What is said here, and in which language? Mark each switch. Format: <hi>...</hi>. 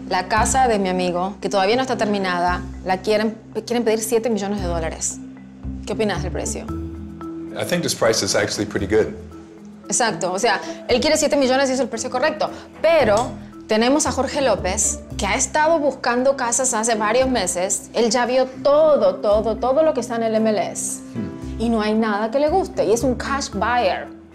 <es>La casa de mi amigo, que todavía no está terminada, la quieren pedir 7 millones de dólares. ¿Qué opinas del precio?</es> <en>I think this price is actually pretty good.</en> <es>Exacto, o sea, él quiere 7 millones y es el precio correcto. Pero tenemos a Jorge López, que ha estado buscando casas hace varios meses. Él ya vio todo lo que está en el MLS. Y no hay nada que le guste, y es un cash buyer.</es>